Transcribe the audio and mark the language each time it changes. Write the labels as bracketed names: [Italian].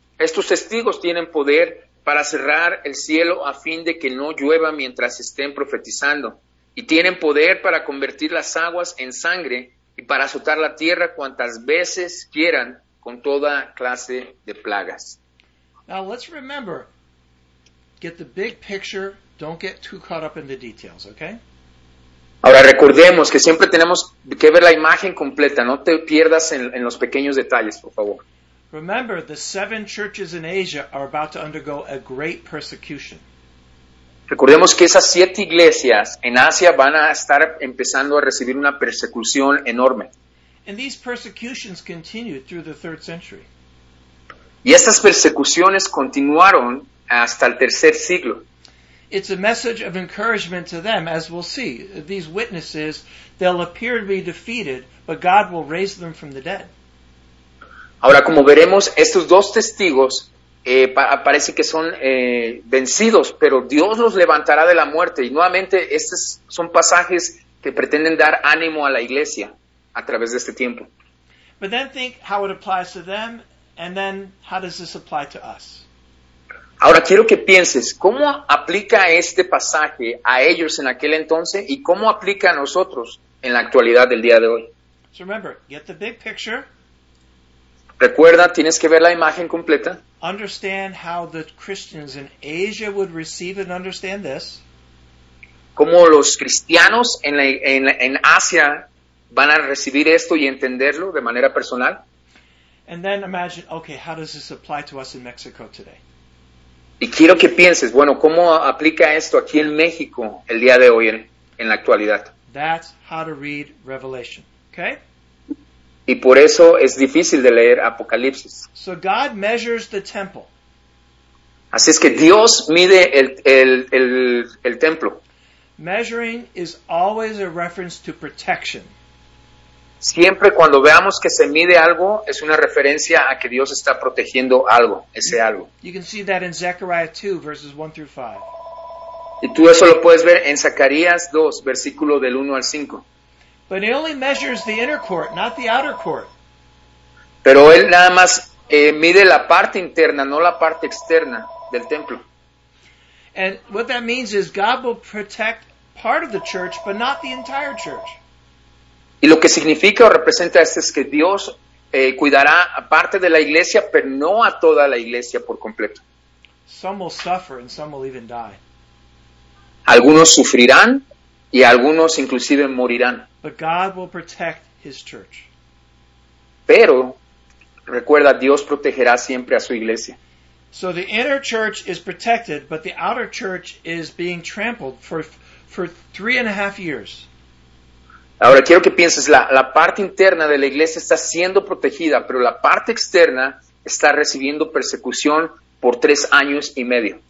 [Spanish] Estos testigos tienen poder para cerrar el cielo a fin de que no llueva mientras estén profetizando. Y tienen poder para convertir las aguas en sangre y para azotar la tierra cuantas veces quieran con toda clase de plagas. [English] Now let's remember, get the big picture, don't get too caught up in the details, okay? [Spanish] Ahora recordemos que siempre tenemos que ver la imagen completa, no te pierdas en los pequeños detalles, por favor. [English] Remember, the seven churches in Asia are about to undergo a great persecution. [Spanish] Recordemos que esas siete iglesias en Asia van a estar empezando a recibir una persecución enorme. [English] And these persecutions continued through the third century. [Spanish] Y estas persecuciones continuaron hasta el tercer siglo. [English] It's a message of encouragement to them, as we'll see. These witnesses, they'll appear to be defeated, but God will raise them from the dead. [Spanish] Ahora, como veremos, estos dos testigos, parece que son vencidos, pero Dios los levantará de la muerte. Y nuevamente, estos son pasajes que pretenden dar ánimo a la iglesia a través de este tiempo. [English] But then think how it applies to them, and then how does this apply to us? [Spanish] Ahora quiero que pienses, ¿cómo aplica este pasaje a ellos en aquel entonces y cómo aplica a nosotros en la actualidad del día de hoy? [English] So remember, get the big picture. [Spanish] Recuerda, tienes que ver la imagen completa. [English] Understand how the Christians in Asia would receive and understand this. [Spanish] ¿Cómo los cristianos en Asia van a recibir esto y entenderlo de manera personal? [English] And then imagine, okay, how does this apply to us in Mexico today? [Spanish] Y quiero que pienses, bueno, ¿cómo aplica esto aquí en México el día de hoy en la actualidad? [English] That's how to read Revelation, okay? [Spanish] Y por eso es difícil de leer Apocalipsis. [English] So God measures the temple. [Spanish] Así es que Dios mide el templo. [English] Measuring is always a reference to protection. [Spanish] Siempre cuando veamos que se mide algo, es una referencia a que Dios está protegiendo algo, ese algo. [English] You can see that in Zechariah 2, verses 1 through 5. [Spanish] Y tú eso lo puedes ver en Zacarías 2, versículo del 1 al 5. [English] But he only measures the inner court, not the outer court. [Spanish] Pero él nada más mide la parte interna, no la parte externa del templo. [English] And what that means is God will protect part of the church, but not the entire church. [Spanish] Y lo que significa o representa esto es que Dios cuidará a parte de la iglesia, pero no a toda la iglesia por completo. [English] Some will suffer and some will even die. [Spanish] Algunos sufrirán y algunos inclusive morirán. [English] But God will protect his church. [Spanish] Pero, recuerda, Dios protegerá siempre a su iglesia. [English] So the inner church is protected, but the outer church is being trampled for 3.5 years. [Spanish] Ahora quiero que pienses, la parte interna de la iglesia está siendo protegida, pero la parte externa está recibiendo persecución por 3 años y medio.